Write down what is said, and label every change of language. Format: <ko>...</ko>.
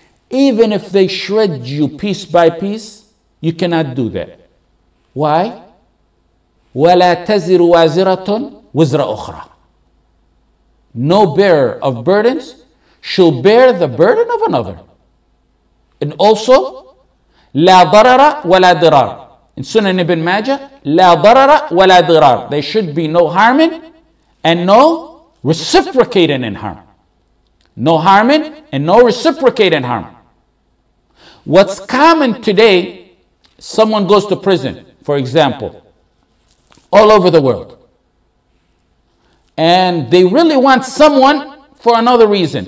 <en>Even if they shred you piece by piece, you cannot do that.</en> <ar>Why? وَلَا تَزِرُ وَازِرَةٌ وِزْرَ أُخْرَى.</ar> <en>No bearer of burdens shall bear the burden of another. And also,</en> <ar>لا ضرر ولا ضرار.</ar> <en>In Sunan Ibn Majah,</en> <ar>لا ضرر ولا ضرار.</ar> <en>There should be no harming and no reciprocating in harm. No harming and no reciprocating harm. What's common today, someone goes to prison, for example, all over the world, and they really want someone for another reason.</en>